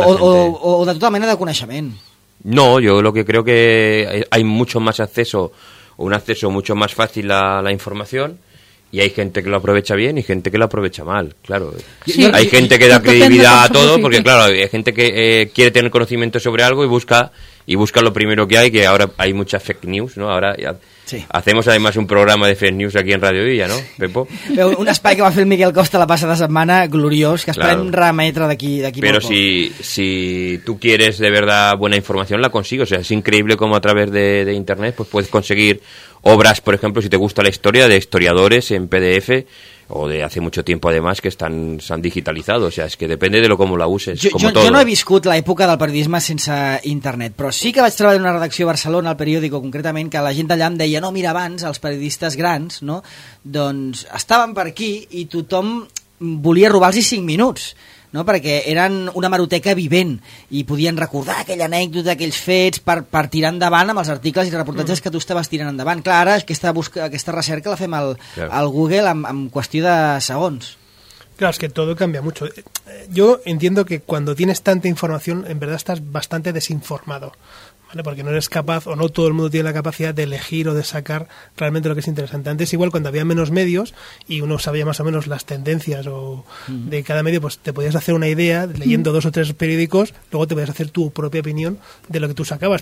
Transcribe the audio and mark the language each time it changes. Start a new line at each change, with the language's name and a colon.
Catalan: o de tota mena de coneixement.
Spanish: No, yo lo que creo que hay mucho más acceso, un acceso mucho más fácil a la información, Y hay gente que lo aprovecha bien y gente que lo aprovecha mal, claro. Sí, hay gente que da credibilidad a todo, porque claro, hay gente que quiere tener conocimiento sobre algo y busca lo primero que hay, que ahora hay muchas fake news, ¿no? Ahora ya sí. Hacemos además un programa de fake news aquí en Radio Villa, ¿no, Pepo?
Catalan: Sí. Un espai que va fer el Miquel Costa la passada setmana, gloriós, que esperem claro. Remetre d'aquí però molt. Però
Spanish: si tu quieres de verdad buena información, la consigo. O sea, es increíble como a través de internet pues puedes conseguir obras, por ejemplo, si te gusta la historia, de historiadores en PDF o de hace mucho tiempo además que están se han digitalizado, o sea, es que depende de lo cómo la uses, yo, como yo, todo.
Catalan: Yo no he viscut la época del periodisme sense internet, però sí que vaig treballar en una redacció a Barcelona, al periòdico concretament, que la gent allà em deia, no, mira, abans els periodistes grans, no? Doncs estaven per aquí i tothom volia robar-los 5 minuts. No? Perquè eren una hemeroteca vivent i podien recordar aquella anècdota, aquells fets, per tirar endavant amb els articles i reportatges que tu estaves tirant endavant. Clar, ara aquesta recerca la fem al Google en qüestió de segons.
Spanish: Claro, es que todo cambia mucho. Yo entiendo que cuando tienes tanta información, en verdad estás bastante desinformado, ¿vale? Porque no eres capaz, o no todo el mundo tiene la capacidad de elegir o de sacar realmente lo que es interesante. Antes igual, cuando había menos medios y uno sabía más o menos las tendencias o de cada medio, pues te podías hacer una idea, leyendo dos o tres periódicos, luego te podías hacer tu propia opinión de lo que tú sacabas.